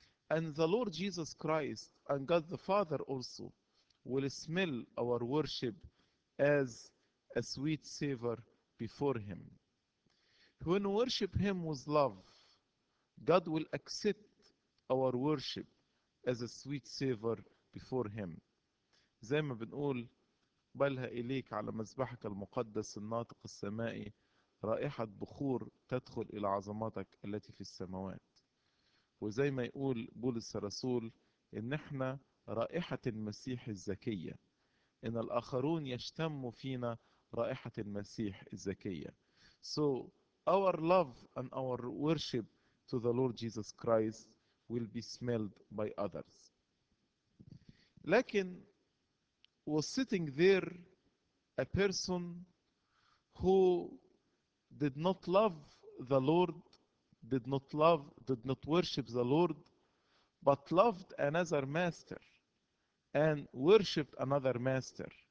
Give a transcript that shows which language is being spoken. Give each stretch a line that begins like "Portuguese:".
English: And the Lord Jesus Christ and God the Father also will smell our worship as a sweet savor before Him. When we worship Him with love, God will accept our worship as a sweet savor before Him.
Arabic: زي ما بنقول بلها إليك على مسبحك المقدس الناطق السمائي رائحة بخور تدخل إلى عظماتك التي في السماوات. وزي ما يقول بولس الرسول إن إحنا رائحة المسيح الزكية. إن الآخرون يشتموا فينا رائحة المسيح الزكية.
English: So our love and our worship to the Lord Jesus Christ will be smelled by others.
Arabic: لكن
English: was sitting there a person who did not love the Lord, did not worship the Lord, but loved another master and worshipped another master.